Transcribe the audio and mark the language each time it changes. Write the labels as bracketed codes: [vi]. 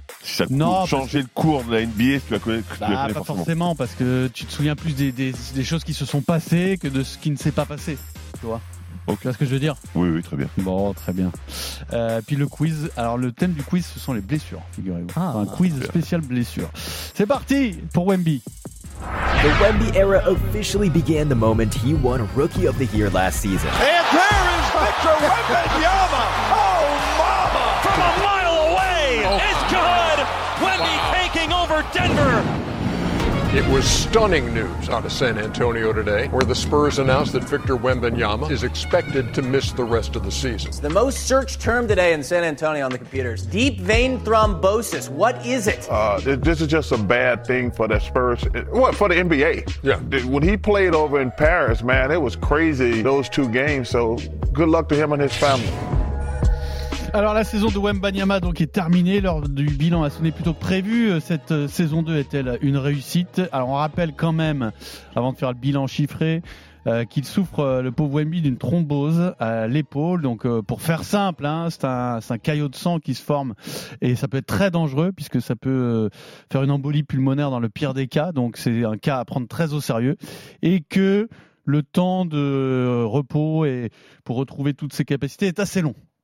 [fr] Si ça a changé le cours de la NBA, tu la connais, bah, pas forcément. Forcément, parce que tu te souviens plus des choses qui se sont passées que de ce qui ne s'est pas passé, tu vois. Okay. Tu vois ce que je veux dire ? Oui, très bien. Bon, très bien. Puis le quiz. Alors, le thème du quiz, ce sont les blessures, figurez-vous. Ah, enfin, un quiz spécial blessures. C'est parti pour Wemby. [en] The Wemby era officially began the moment he won Rookie of the Year last season. And there is Victor Wembanyama. Oh, mama! From a mile away, it's good! Wemby taking over Denver! It was stunning news out of San Antonio today, where the Spurs announced that Victor Wembanyama is expected to miss the rest of the season. It's the most searched term today in San Antonio on the computers. Deep vein thrombosis. What is it? This is just a bad thing for the Spurs. What, for the NBA? Yeah. When he played over in Paris, man, it was crazy, those two games. So good luck to him and his family. [fr] Alors la saison de Wembanyama donc est terminée, l'heure du bilan a sonné plutôt prévu, cette saison 2 est-elle une réussite? Alors on rappelle quand même, avant de faire le bilan chiffré, qu'il souffre le pauvre Wemby d'une thrombose à l'épaule, donc pour faire simple, hein, c'est un caillot de sang qui se forme et ça peut être très dangereux puisque ça peut faire une embolie pulmonaire dans le pire des cas, donc c'est un cas à prendre très au sérieux, et que le temps de repos et pour retrouver toutes ses capacités est assez long.